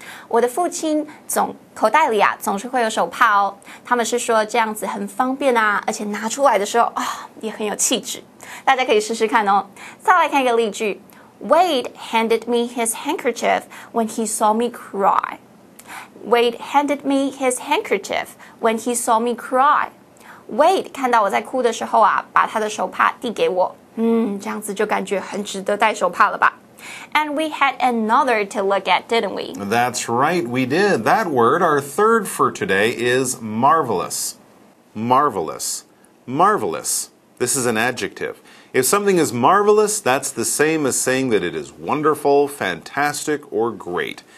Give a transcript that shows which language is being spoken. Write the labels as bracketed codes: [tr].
[zh] 我的父亲总口袋里啊，总是会有手帕哦。他们是说这样子很方便啊，而且拿出来的时候啊、哦，也很有气质。大家可以试试看哦。再来看一个例句。 [en] Wade handed me his handkerchief when he saw me cry. Wade handed me his handkerchief when he saw me cry. [zh] Wade 看到我在哭的时候啊，把他的手帕递给我。这样子就感觉很值得戴手帕了吧。 [en] And we had another to look at, didn't we? That's right, we did. That word, our third for today, is marvelous. Marvelous. Marvelous. This is an adjective. If something is marvelous, that's the same as saying that it is wonderful, fantastic, or great.